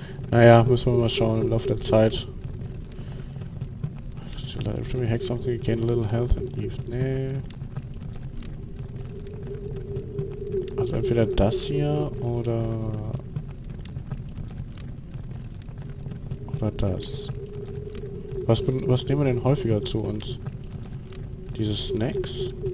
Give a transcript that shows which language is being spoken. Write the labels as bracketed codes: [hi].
[de] Naja, müssen wir mal schauen im Laufe der Zeit. [en] Every time you hack something, you gain a little health and Eve. [de] Nee. Also entweder das hier oder... oder das. Was nehmen wir denn häufiger zu uns? Diese Snacks?